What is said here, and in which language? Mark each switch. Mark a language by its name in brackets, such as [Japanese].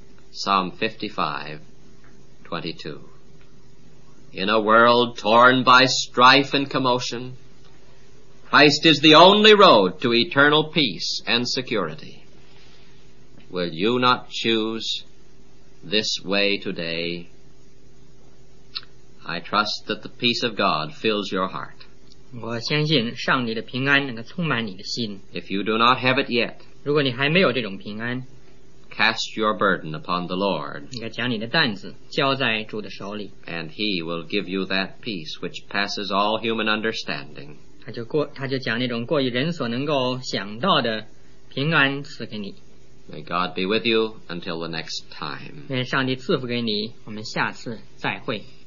[English] Psalm 55:22. In a world torn by strife and commotion, Christ is the only road to eternal peace and security. Will you not choose this way today? I trust that the peace of God fills your heart. If you do not have it yet, [Chinese] 如果你还没有这种平安, [English] Cast your burden upon the Lord. [Chinese] 你要将你的担子交在主的手里。 [English] And he will give you that peace which passes all human understanding. [Chinese] 他就将那种过于人所能够想到的平安赐给你。 [English] May God be with you until the next time. [Chinese] 愿上帝赐福给你，我们下次再会。